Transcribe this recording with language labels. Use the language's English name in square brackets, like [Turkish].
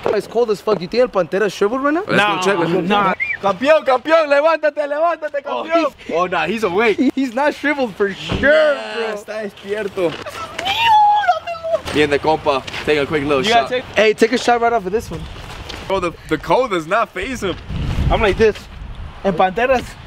[English] It's cold as fuck. You think El Pantera shriveled right now? Let's go check. [Spanish] Campeón, campeón, levántate, campeón. [English] Oh, nah, he's awake. He's not shriveled for sure, yeah, bro. [Spanish] Está despierto. [English] Me and the compa, take a quick little shot. Hey, take a shot right off of this one. Bro, the cold does not faze him. I'm like this. And Panteras.